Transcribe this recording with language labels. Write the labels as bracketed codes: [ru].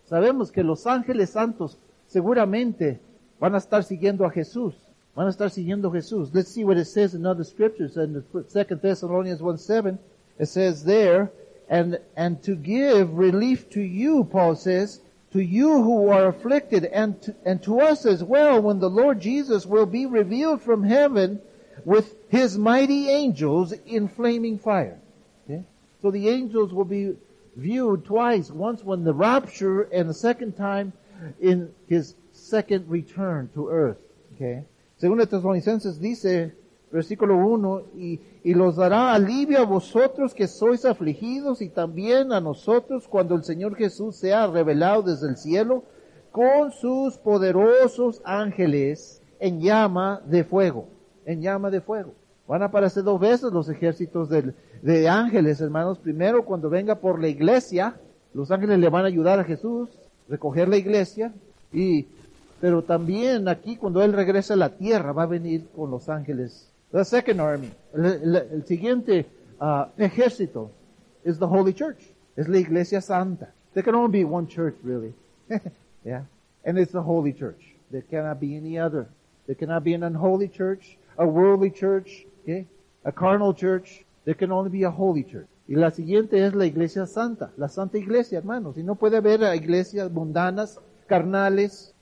[es] Sabemos que los ángeles santos seguramente van a estar siguiendo a Jesús. Van a estar siguiendo a Jesús. [en] Let's see what it says in other scriptures. In 2 Thessalonians 1:7, it says there, and to give relief to you, Paul says, to you who are afflicted, and to us as well, when the Lord Jesus will be revealed from heaven with his mighty angels in flaming fire. Okay? So the angels will be viewed twice, once when the rapture, and the second time in his second return to earth. Okay. [es] Según el Tesalonicenses dice, versículo 1, y los dará alivio a vosotros que sois afligidos y también a nosotros cuando el Señor Jesús sea revelado desde el cielo con sus poderosos ángeles en llama de fuego. En llama de fuego. Van a aparecer dos veces los ejércitos de ángeles, hermanos. Primero, cuando venga por la iglesia, los ángeles le van a ayudar a Jesús a recoger la iglesia. Pero también aquí, cuando él regrese a la tierra, va a venir con los ángeles. [en] The second army. [es] El siguiente ejército [en] is the Holy Church. [es] Es la iglesia santa. [en] There can only be one church, really. Yeah. And it's the Holy Church. There cannot be any other. There cannot be an unholy church, a worldly church, okay? A carnal church. There can only be a holy church. [es] Y la siguiente es la iglesia santa. La santa iglesia, hermanos. Y no puede haber iglesias mundanas, carnales.